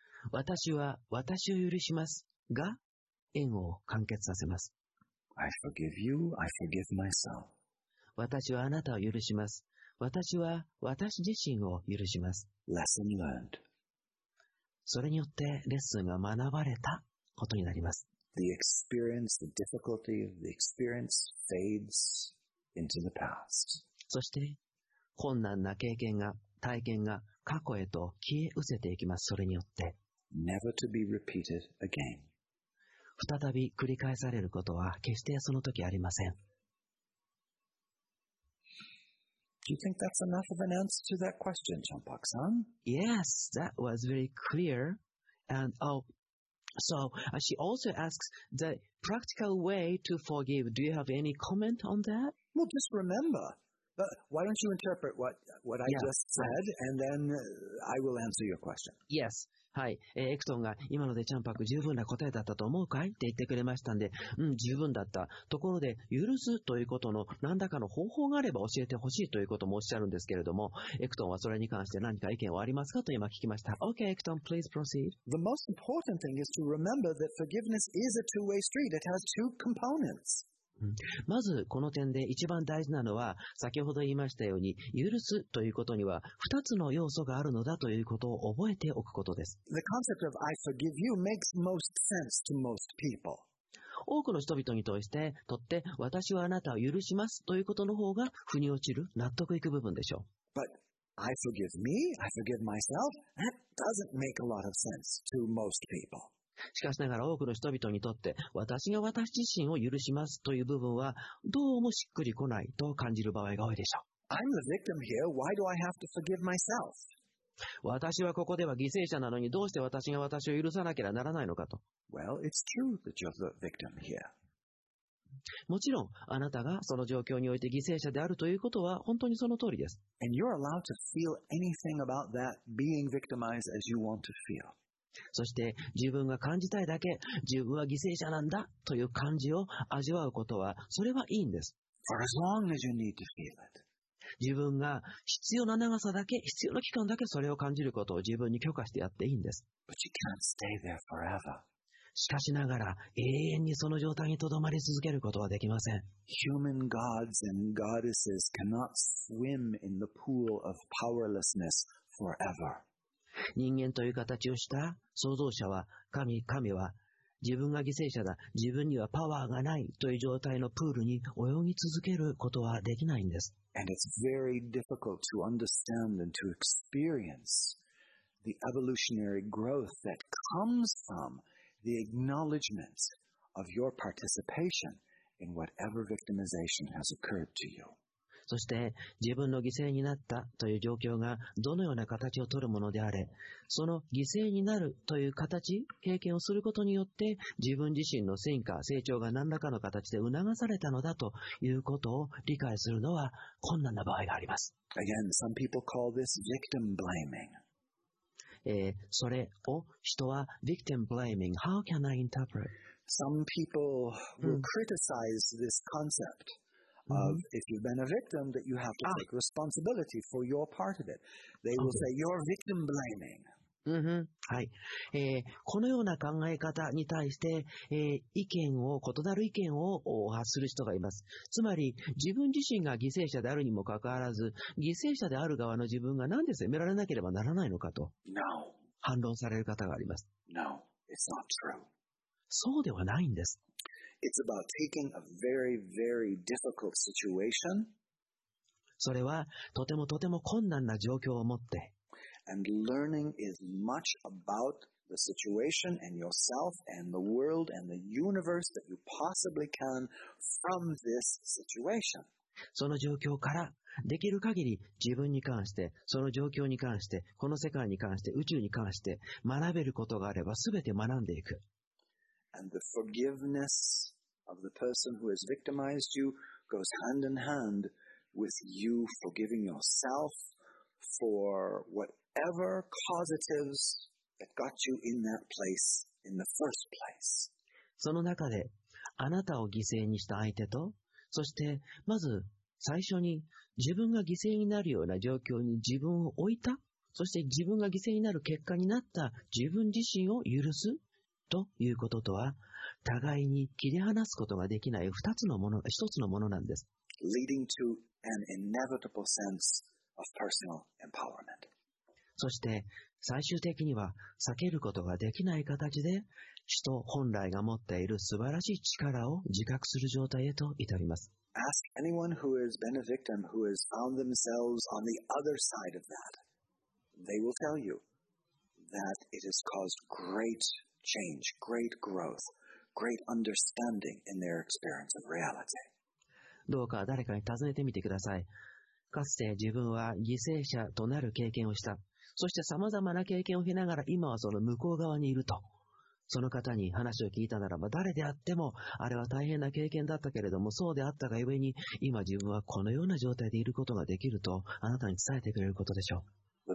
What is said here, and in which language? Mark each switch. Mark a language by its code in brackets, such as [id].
[ja] 私は私を許しますが、縁を完結させます。 [en] I forgive you, I forgive myself. [ja] 私はあなたを許します。私は私自身を許します。 [en] Lesson learned. [ja] それによってレッスンが学ばれたことになります。 [en] The experience, the difficulty of the experience fades into the past. [ja] そして、困難な経験が、体験が過去へと消え失せていきます。それによって。 [en] Never to be repeated again. [ja] 再び繰り返されることは決してその時ありません。 [en] Do you think that's enough of an answer to that question, Champak-san? Yes, that was very clear. And, oh, so, she also asks the practical way to forgive. Do you have any comment on that? Well, just remember. Why don't you interpret what I just said, and then I will answer your question. Yes. [ja] はい。エクトンが今のでチャンパク十分な答えだったと思うかいって言ってくれましたんで、うん、十分だった。ところで、許すということの何らかの方法があれば教えてほしいということもおっしゃるんですけれども、エクトンはそれに関して何か意見はありますかと今聞きました。 [en] OK, エクトン、please proceed. The most important thing is to remember that forgiveness is a two-way street. It has two components. [ja] まずこの点で一番大事なのは、先ほど言いましたように許すということには2つの要素があるのだということを覚えておくことです。 [en] The concept of I forgive you makes most sense to most people. [ja] 多くの人々にとって私はあなたを許しますということの方が腑に落ちる、納得いく部分でしょう。 [en] But I forgive me, I forgive myself, that doesn't make a lot of sense to most people [ja] しかしながら多くの人々にとって私が私自身を許しますという部分はどうもしっくりこないと感じる場合が多いでしょう。 [en] I'm the victim here. Why do I have to forgive myself? [ja] 私はここでは犠牲者なのにどうして私が私を許さなければならないのかと。 [en] Well, it's true that you're the victim here. [ja] もちろんあなたがその状況において犠牲者であるということは本当にその通りです。 [en] And you're allowed to feel anything about that being victimized as you want to feel. [ja] そして自分が感じたいだけ、自分は犠牲者なんだという感じを味わうことは、それはいいんです。 [en] For as long as you need to feel it. [ja] 自分が必要な長さだけ、必要な期間だけそれを感じることを自分に許可してやっていいんです。 [en] But you can't stay there forever. [ja] しかしながら、永遠にその状態にとどまり続けることはできません。 [en] Human gods and goddesses cannot swim in the pool of powerlessness forever. [ja] 人間という形をした創造者は、神は自分が犠牲者だ、自分にはパワーがないという状態のプールに泳ぎ続けることはできないんです。 [en] And it's very difficult to understand and to experience the evolutionary growth that comes from the acknowledgement of your participation in whatever victimization has occurred to you. [ja] そして自分の犠牲になったという状況がどのような形を取るものであれ、その犠牲になるという形、経験をすることによって自分自身の進化、成長が何らかの形で促されたのだということを理解するのは困難な場合があります。 [en] Again, some people call this victim blaming. [ja] それを人は [en] victim blaming. How can I interpret? Some people will criticize this conceptOf if you've been a victim, that you have to take responsibility for your part of it. They will say you're victim blaming. [ja] Mm-hmm. はい。このような考え方に対して、意見を、異なる意見を発する人がいます。つまり、自分自身が犠牲者であるにもかかわらず、犠牲者である側の自分がなんで責められなければならないのかと、 [en] No. [ja] 反論される方があります。 [en] No, it's not true. [ja] そうではないんです。 [en] It's about taking a very, very difficult situation. [ja] それはとてもとても困難な状況を持って。 [en] And learning is much about the situation and yourself and the world and the universe that you possibly can from this situation. [ja] その状況からできる限り自分に関してその状況に関してこの世界に関して宇宙に関して学べることがあればすべて学んでいく。 And the forgiveness of the person who has victimized you goes hand in hand with you forgiving yourself for whatever causatives that got you in that place in the first place. その中で、あなたを犠牲にした相手と、そしてまず最初に自分が犠牲になるような状況に自分を置いた、そして自分が犠牲になる結果になった自分自身を許す。ということとは、互いに切り離すことができない二つのもの、一つのものなんです。 [en] Leading to an inevitable sense of personal empowerment. [ja] そして、最終的には、避けることができない形で、人本来が持っている素晴らしい力を自覚する状態へと至ります。 [en] Ask anyone who has been a victim who has found themselves on the other side of that. They will tell you that it has caused great change, great growth, great understanding in their experience of reality. [ja] どうか誰かに尋ねてみてください。かつて自分は犠牲者となる経験をした。そして様々な経験を経ながら今はその向こう側にいると。その方に話を聞いたならば誰であってもあれは大変な経験だったけれどもそうであったがゆえに今自分はこのような状態でいることができるとあなたに伝えてくれることでしょう。